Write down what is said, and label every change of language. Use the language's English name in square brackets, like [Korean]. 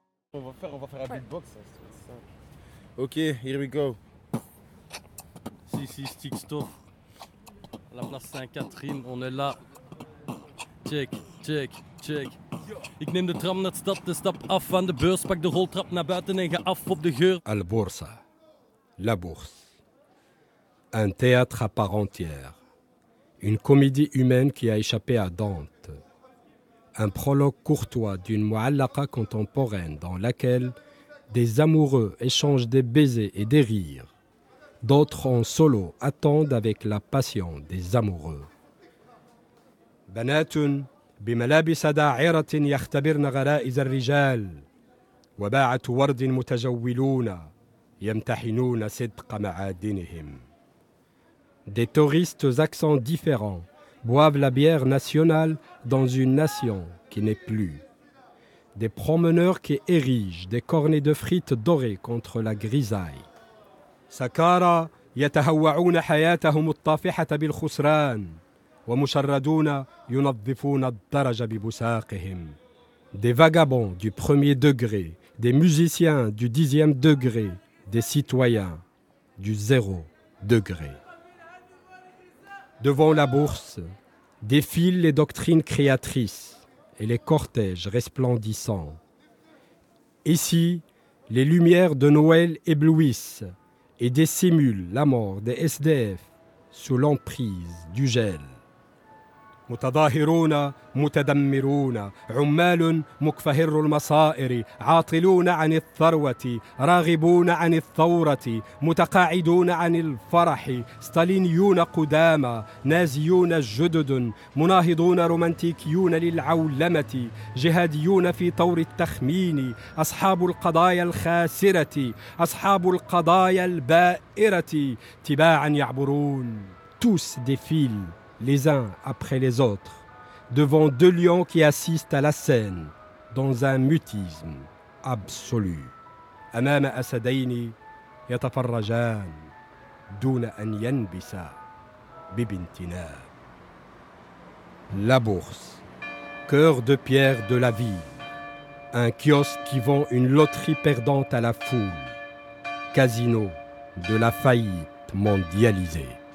[French] On va faire un beatbox. [English] Ok, here we go. [French] Si, si, stick stuff. La place Sainte-Catherine, on est là. Check, check, check. [Dutch] Ik neem de tram naar stad, de stap af van de beurs. Pak de roltrap naar buiten en ga af op de geur. [French] Al Borsa, la Bourse. Un théâtre à part entière. Une comédie humaine qui a échappé à Dante. Un prologue courtois d'une mu'allaqa contemporaine dans laquelle des amoureux échangent des baisers et des rires. D'autres en solo attendent avec la passion des amoureux. [Arabic] بنات بملابس داعرة يختبرن غرائز الرجال وباعة ورد متجولون يمتحنون صدق معادنهم. [French] Des touristes aux accents différents boivent la bière nationale dans une nation qui n'est plus. Des promeneurs qui érigent des cornets de frites dorées contre la grisaille. [Arabic] سكارى يتهوعون حياتهم الطافحة بالخسران ومشردون ينظفون الدرج ببساقهم. [French] Des vagabonds du premier degré, des musiciens du dixième degré, des citoyens du zéro degré. Devant la bourse, défilent les doctrines créatrices et les cortèges resplendissants. Ici, les lumières de Noël éblouissent et dissimulent la mort des SDF sous l'emprise du gel. [Arabic] متظاهرون متدمرون عمال مكفهر المصائر عاطلون عن الثروة راغبون عن الثورة متقاعدون عن الفرح ستالينيون قدامى نازيون جدد مناهضون رومانتيكيون للعولمة جهاديون في طور التخمين أصحاب القضايا الخاسرة أصحاب القضايا البائرة تباعا يعبرون [French] توس ديفيل les uns après les autres, devant deux lions qui assistent à la scène dans un mutisme absolu. [Arabic] أمام أسدين يتفرجان دون أن ينبسا ببنتنا. [French] La bourse, cœur de pierre de la ville, un kiosque qui vend une loterie perdante à la foule, casino de la faillite mondialisée.